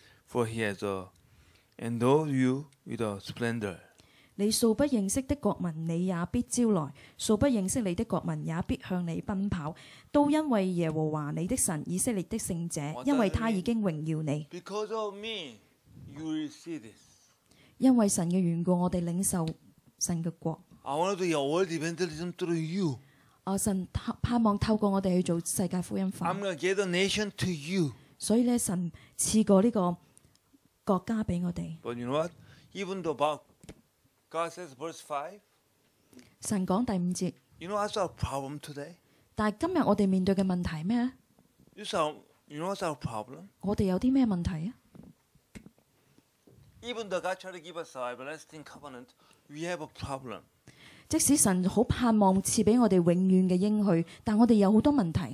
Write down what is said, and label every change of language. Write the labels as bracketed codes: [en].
[en] For he has endowed you with a splendor. [zh] 你素不认识的国民，你也必招来； 素不认识你的国民，也必向你奔跑。都因为耶和华你的神，以色列的圣者， 因为他已经荣耀你。 [en] Because of me, you will see this. [zh] 因为神的缘故，我们领受神的国。 [en] I want to do your world evangelism through you. [zh] 神盼望透过我们去做世界福音化。 [en] I'm going to give the nation to you. [zh] 所以神赐过这个 国家给我们。 [en] But you know what? Even though God says verse 5, [zh] 神讲第五节, [en] you know what's our problem today? [zh] 但今天我们面对的问题是什么? [en] You know what's our problem? [zh] 我们有什么问题? [en] Even though God tried to give us our everlasting covenant, we have a problem. [zh] 即使神很盼望赐给我们永远的应许, 但我们有很多问题。